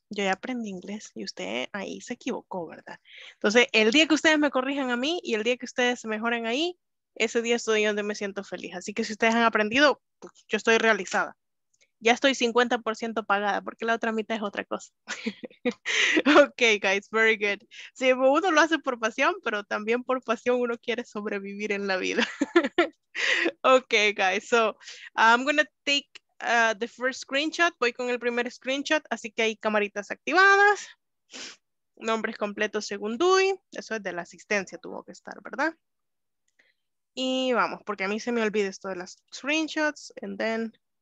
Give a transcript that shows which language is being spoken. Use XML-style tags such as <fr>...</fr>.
<es>Yo ya aprendí inglés y usted ahí se equivocó, ¿verdad? Entonces, el día que ustedes me corrijan a mí y el día que ustedes se mejoren ahí, ese día estoy donde me siento feliz. Así que si ustedes han aprendido, pues yo estoy realizada. Ya estoy 50% pagada, porque la otra mitad es otra cosa.</es> <en>Ok, guys, very good.</en> <es>Sí, uno lo hace por pasión, pero también por pasión uno quiere sobrevivir en la vida.</es> <en>Ok, guys, so I'm going to take the first screenshot.</en> <es>Voy con el primer screenshot, así que hay camaritas activadas. Nombres completos según Dewey. Eso es de la asistencia, tuvo que estar, ¿verdad? Y vamos, porque a mí se me olvida esto de las screenshots.</es> <en>And then...</en>